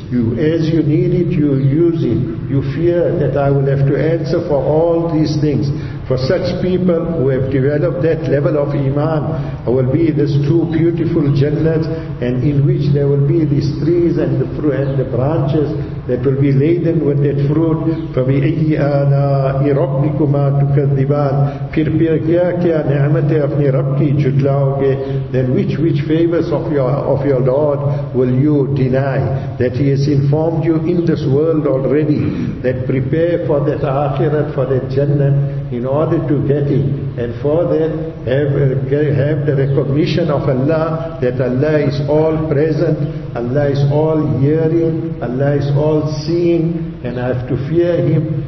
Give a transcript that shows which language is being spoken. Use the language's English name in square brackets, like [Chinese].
[English] You, as you need it, you use it. You fear that I will have to answer for all these things. For such people who have developed that level of iman, there will be these two beautiful jannats, and in which there will be these trees and the fruit and the branches that will be laden with that fruit. [Arabic] فَبِأَيِّ آلَاءِ رَبِّكُمَا تُكَذِّبَانَ [Urdu] پھر پھر کیا کیا نعمتیں اپنے رب کی جھٹلاؤ گے. [English] Then which favors of your Lord will you deny? That He has informed you in this world already, that prepare for that akhirat, for that jannat, in order to get it. And for that, have the recognition of Allah, that Allah is all present, Allah is all hearing, Allah is all seeing, and I have to fear Him.